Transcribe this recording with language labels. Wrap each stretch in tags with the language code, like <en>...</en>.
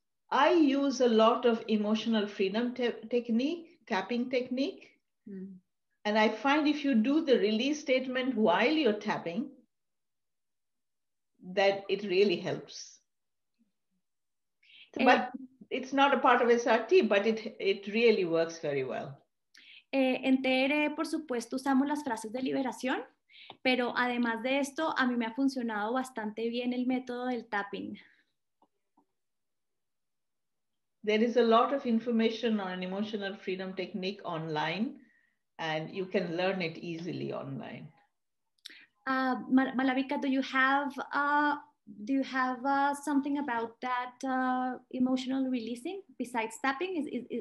<en>I use a lot of emotional freedom technique, tapping technique. Mm. And I find if you do the release statement while you're tapping, that it really helps. But it's not a part of SRT, but it really works very well.</en> <es>En TRE, por supuesto, usamos las frases de liberación, pero además de esto, a mí me ha funcionado bastante bien el método del tapping.</es> <en>There is a lot of information on emotional freedom technique online, and you can learn it easily online. Malabika, do you have something about that emotional releasing besides tapping?</en>